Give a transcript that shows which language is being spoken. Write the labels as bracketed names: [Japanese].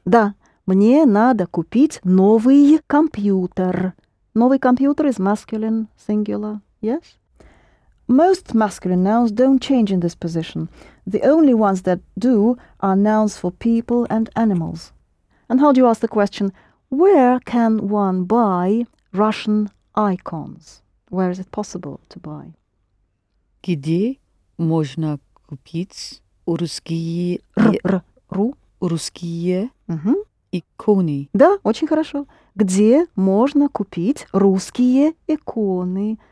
[Russian] Да, мне надо купить новый компьютер. Новый компьютер [English] is masculine, singular, yes? Most masculine nouns don't change in this position. The only ones that do are nouns for people and animals. And how do you ask the question, where can one buy Russian icons? Where is it possible to buy? [Russian] Где можно купить русские... русские иконы? Да, очень хорошо. Где можно купить русские иконы?